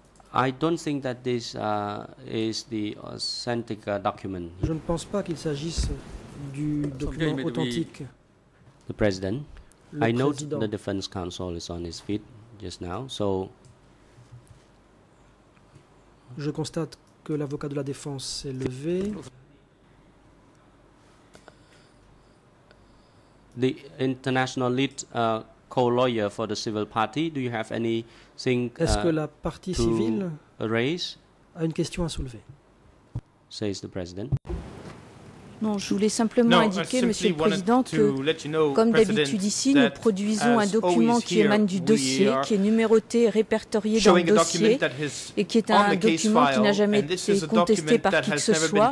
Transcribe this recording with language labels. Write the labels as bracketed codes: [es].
[en] I don't think that this is the authentic document. [fr] Je ne pense pas qu'il s'agisse du document authentique. [en] The President, I note the defense counsel is on his feet just now, so. [fr] Je constate que l'avocat de la défense s'est levé. [en] The international lead co-lawyer for the civil party, do you have anything to raise? [fr] Est-ce que la partie civile a une question à soulever? [en] Says the president. [fr] Non, je voulais simplement indiquer, Monsieur le Président, que, comme d'habitude ici, nous produisons un document qui émane du dossier, qui est numéroté et répertorié dans le dossier, et qui est un document qui n'a jamais été contesté par qui que ce soit.